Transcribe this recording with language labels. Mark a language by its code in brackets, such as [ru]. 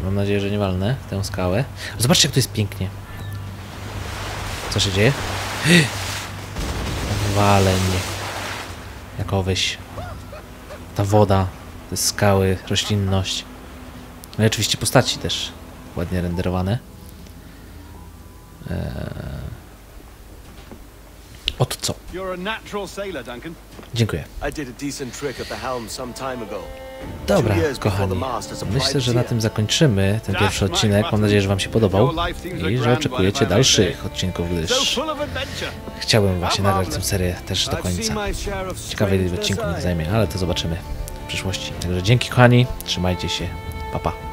[pl] Mam nadzieję, że nie walnę w tę skałę. Zobaczcie, jak to jest pięknie. Co się dzieje? Walenie. Jakoweś. Ta woda, te skały, roślinność. No i oczywiście postaci też ładnie renderowane. Od co? [en] You're a natural sailor, Duncan. [pl] Dziękuję. [en] I did a decent trick at the helm some time ago. [pl] Dobra, kochani, myślę, że na tym zakończymy ten pierwszy odcinek. Mam nadzieję, że wam się podobał i że oczekujecie dalszych odcinków, gdyż chciałbym właśnie nagrać tę serię też do końca. Ciekawe, ile odcinków mi to zajmie, ale to zobaczymy w przyszłości. Także dzięki, kochani, trzymajcie się, pa, pa.